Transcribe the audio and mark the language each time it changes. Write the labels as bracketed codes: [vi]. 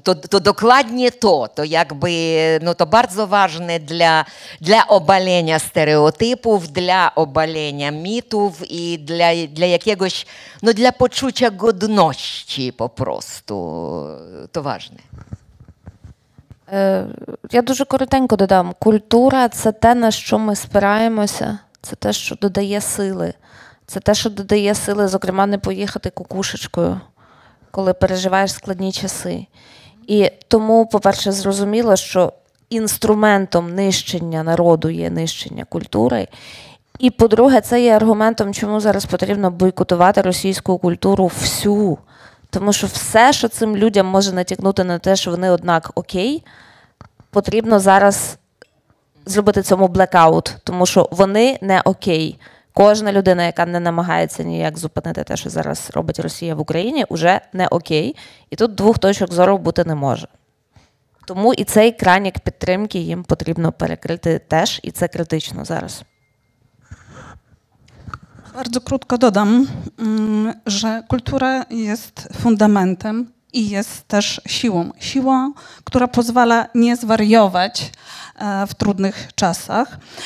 [pl] To dokładnie to jakby, no to bardzo ważne dla obalenia stereotypów, dla obalenia mitów i dla jakiegoś, no dla poczucia godności po prostu, to ważne. [uk] Ja дуже коротенько додам, культура – це те, на що ми спираємося, це те, що додає сили, це те, що додає сили, зокрема, не поїхати кукушечкою, коли переживаєш складні часи. І тому, по-перше, зрозуміло, що інструментом нищення народу є нищення культури. І, по-друге, це є аргументом, чому зараз потрібно бойкотувати російську культуру всю. Тому що все, що цим людям може натякнути на те, що вони однак окей, потрібно зараз зробити цьому блекаут, тому що вони не окей. Кожна людина, яка не намагається ніяк зупинити те, що зараз робить Росія в Україні, уже не окей. І тут двох точок зору бути не може. Тому і цей кранік підтримки їм потрібно перекрити теж, і це критично зараз. [pl] Bardzo krótko dodam, że kultura jest fundamentem i jest też siłą. Siłą, która pozwala nie zwariować w trudnych czasach.